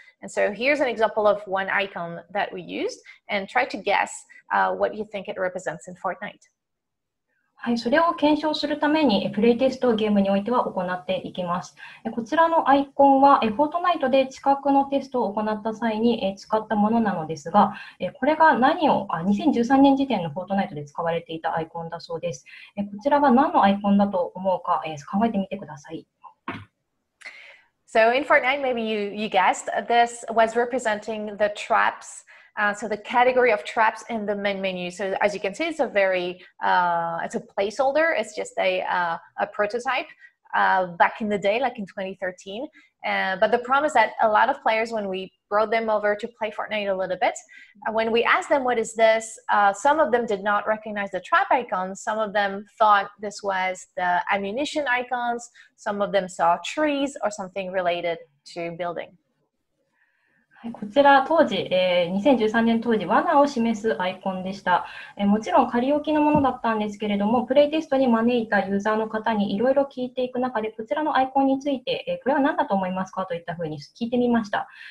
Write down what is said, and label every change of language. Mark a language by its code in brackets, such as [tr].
[en] And so here's an example of one icon that we used, and try to guess what you think it represents in Fortnite. [ja] はい、それを検証するためにプレイテストをゲームにおいては行っていきます。こちらのアイコンはフォートナイトで知覚のテストを行った際に使ったものなのですが、これが2013年時点のフォートナイトで使われていたアイコンだそうです。こちらが何のアイコンだと思うか考えてみてください。 [en] So in Fortnite, maybe you guessed this was representing the traps. So the category of traps in the main menu. So as you can see, it's a very, it's a placeholder. It's just a prototype back in the day, like in 2013. But the problem is that a lot of players, when we brought them over to play Fortnite a little bit, when we asked them, what is this? Some of them did not recognize the trap icon. Some of them thought this was the ammunition icons. Some of them saw trees or something related to building. [ja] こちら当時、2013年当時罠を示すアイコンでした。もちろん仮置きのものだったんですけれども、プレイテストに招いたユーザーの方にいろいろ聞いていく中で、こちらのアイコンについて、これは何だと思いますかといったふうに聞いてみました。